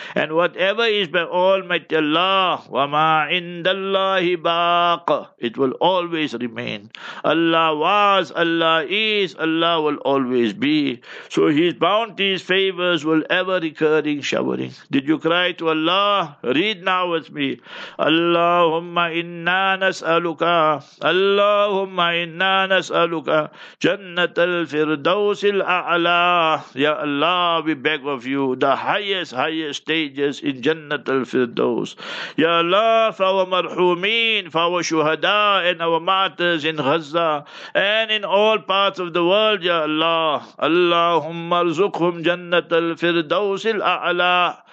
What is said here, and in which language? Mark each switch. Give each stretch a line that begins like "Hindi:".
English: And whatever is by Almighty Allah,
Arabic: وَمَا عِنْدَ اللَّهِ بَاقَ,
English: it will always remain. Allah was, Allah is, Allah will always be. So His bounties, favors will ever recurring showering. Did you cry to Allah? Read now with me.
Arabic: Allahumma inna نسألك اللهم إنا نسألك جنة الفردوس الأعلى.
English: Ya Allah, we beg of you the highest stages in Jannat al-Firdaus. Ya Allah, for our marhumin, for our shuhada and our martyrs in Gaza and in all parts of the world, Ya Allah.
Arabic: Allahumma arzukhum Jannat al-Firdaus الأعلى.